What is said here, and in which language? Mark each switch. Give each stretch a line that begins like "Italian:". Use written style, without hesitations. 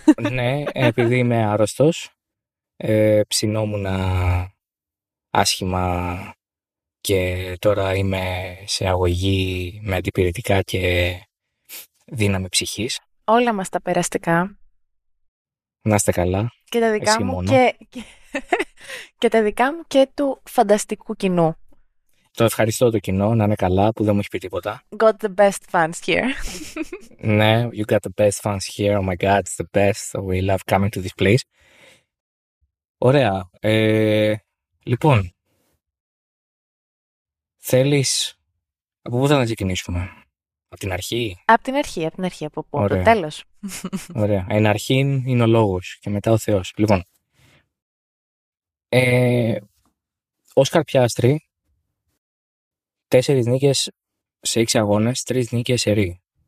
Greek: Ναι, επειδή είμαι άρρωστος, ψινόμουνα άσχημα και τώρα είμαι σε αγωγή με αντιπηρετικά και δύναμη ψυχής. Όλα μας τα περαστικά. Να είστε καλά, Και τα δικά εσύ μου μόνο. και τα δικά μου και του φανταστικού κοινού. Το ευχαριστώ το κοινό, να είναι καλά, που δεν μου έχει πει τίποτα.
English: Got the best fans here. Ναι, you got the best fans here, oh my God, it's the best, we love coming to this place.
Greek: Ωραία. Λοιπόν, θέλεις, από πού θα να ξεκινήσουμε, από την αρχή. Από την αρχή, από το Ωραία. τέλος. Ωραία. Εν αρχήν είναι ο λόγος και μετά ο Θεός. Λοιπόν, Όσκαρ Πιάστρη, 4 νίκες σε 6 αγώνες, 3 νίκες σε ρί.